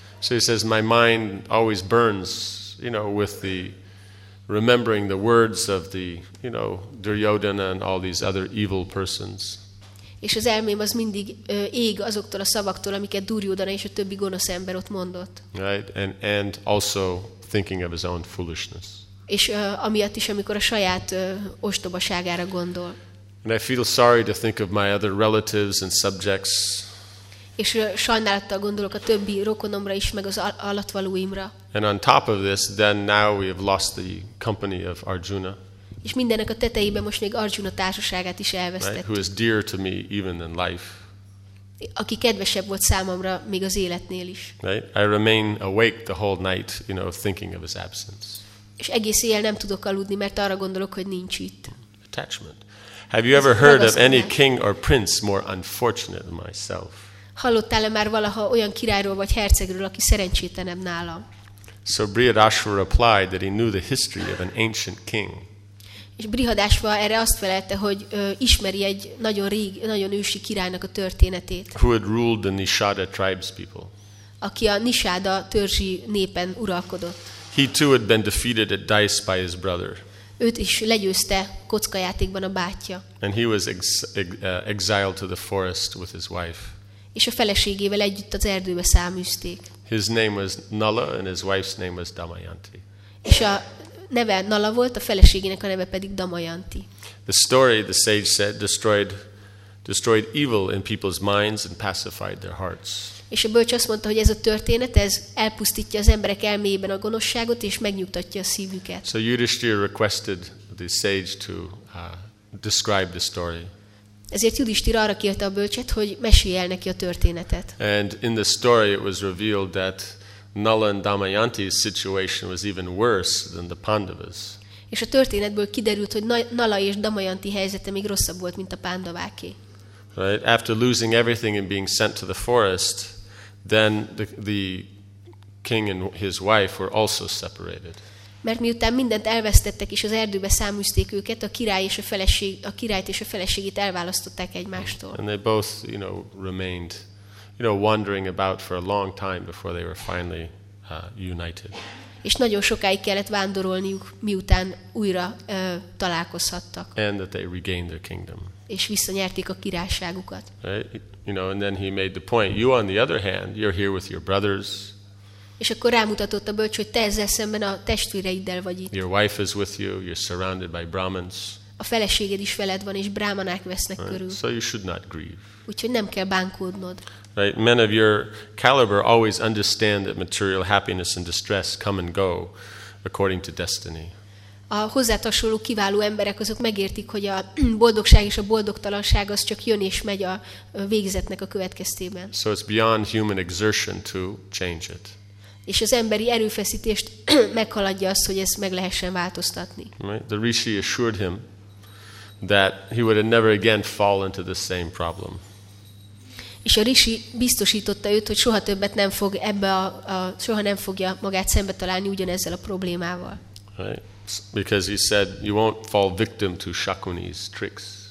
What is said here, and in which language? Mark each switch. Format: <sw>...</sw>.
<en>So he says, my mind always burns, you know, with the remembering the words of the, you know, Duryodhana and all these other evil persons.</en> <hu>És az elmém az mindig ég azoktól a szavaktól, amiket Duryodhana és a többi gonosz ember ott mondott.</hu> <en>Right, and also thinking of his own foolishness.</en> <hu>És amiatt is, amikor a saját ostobaságára gondol.</hu> <en>And I feel sorry to think of my other relatives and subjects.</en> <hu>És sajnálattal gondolok a többi rokonomra is, meg az alattvalóimra.</hu> <en>And on top of this, then now we have lost the company of Arjuna.</en> <hu>És mindennek a tetejében most még Arjuna társaságát is elvesztettük.</hu> <en>Right? Who is dear to me even in life.</en> <hu>Aki kedvesebb volt számomra még az életnél is.</hu> <en>Right? I remain awake the whole night, you know, thinking of his absence.</en> <hu>És egész éjjel nem tudok aludni, mert arra gondolok, hogy nincs itt.</hu> <en>Attachment. Have you ever heard of any king or prince more unfortunate than myself?</en> <hu>Hallottál-e már valaha olyan királyról vagy hercegről, aki szerencsétlenebb nálam?</hu> <en>So Brihadashva replied that he knew the history of an ancient king.</en> <hu>És Brihadashva erre azt felelte, hogy ismeri egy nagyon régi, nagyon ősi királynak a történetét.</hu> <en>Who had ruled the Nishada tribes people.</en> <hu>Aki a Nishada törzsi népen uralkodott.</hu> <en>He too had been defeated at dice by his brother.</en> <hu>Őt is legyőzte kockajátékban a bátyja.</hu> <en>And he was exiled to the forest with his wife.</en> <hu>És a feleségével együtt az erdőbe száműzték.</hu> <en>His name was Nala and his wife's name was Damayanti.</en> <hu>És a neve Nala volt, a feleségének a neve pedig Damayanti.</hu> <en>The story, the sage said, destroyed evil in people's minds and pacified their hearts.</en> <hu>És a bölcs azt mondta, hogy ez a történet, ez elpusztítja az emberek elméjében a gonoszságot és megnyugtatja a szívüket.</hu> <en>So Yudhishthira requested the sage to describe the story.</en> <hu>Ezért Yudhishthira arra kérte a bölcset, hogy mesélje el neki a történetet.</hu> <en>And in the story it was revealed that Nala and Damayanti's situation was even worse than the Pandavas.</en> <hu>És a történetből kiderült, hogy Nala és Damayanti helyzete még rosszabb volt, mint a Pandaváké.</hu> <en>Right? After losing everything and being sent to the forest, then the king and his wife were also separated.</en> <hu>Mert miután mindent elvesztettek és az erdőbe száműzték őket, a királyt és a feleségét elválasztották egymástól.</hu> <en>And they both, you know, remained, you know, wandering about for a long time before they were finally united.</en> <hu>És nagyon sokáig kellett vándorolniuk, miután újra találkozhattak.</hu> <en>And that they regained their kingdom.</en> <hu>És visszanyerték a királyságukat.</hu> <en>Right? You know, and then he made the point, you on the other hand, you're here with your brothers.</en> <hu>És akkor rámutatott a bölcs, hogy te ezzel szemben a testvéreiddel vagy itt.</hu> <en>Your wife is with you, you're surrounded by Brahmins.</en> <hu>A feleséged is veled van, és brámanák vesznek</hu> <en>right?</en> <hu>körül.</hu> <en>So you should not grieve.</en> <hu>Úgyhogy nem kell bánkódnod.</hu> <en>Right? Men of your caliber always understand that material happiness and distress come and go according to destiny.</en> <hu>A hozzátasoló kiváló emberek azok megértik, hogy a boldogság és a boldogtalanság az csak jön és megy a végzetnek a következtében.</hu> <en>So it's beyond human exertion to change it.</en> <hu>És az emberi erőfeszítést meghaladja azt, hogy ezt meg lehessen változtatni.</hu> <en>Right? The rishi assured him that he would never again fall into the same problem.</en> <hu>És a rishi biztosította őt, hogy soha többet nem fog ebbe soha nem fogja magát szembe találni ugyanezzel a problémával.</hu> <en>Right? Because he said you won't fall victim to Shakuni's tricks.</en>